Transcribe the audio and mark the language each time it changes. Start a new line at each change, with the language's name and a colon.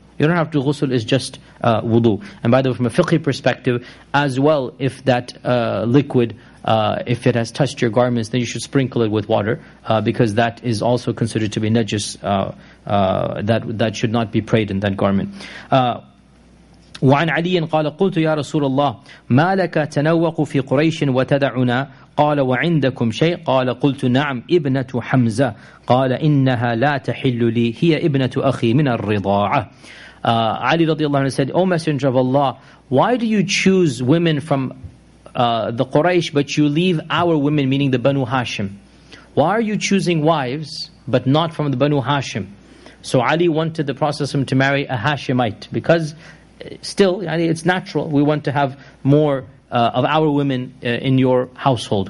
English: You don't have to ghusl, it's just wudu. And by the way, from a fiqh perspective, as well, if that liquid, if it has touched your garments, then you should sprinkle it with water, because that is also considered to be najis. That should not be prayed in that garment.
Arabic: وعن علي قال قلت يا رسول الله ما لك تنوق في قريش وتدعنا قال وعندكم شيء قال قلت نعم ابنة حمزة قال إنها لا تحل لي هي ابنة أخي من الرضاعة.
English: Ali radiallahu anhu said, O Messenger of Allah, why do you choose women from the Quraysh, but you leave our women, meaning the Banu Hashim? Why are you choosing wives, but not from the Banu Hashim? So Ali wanted the Prophet to marry a Hashimite, because still, it's natural, we want to have more of our women in your household.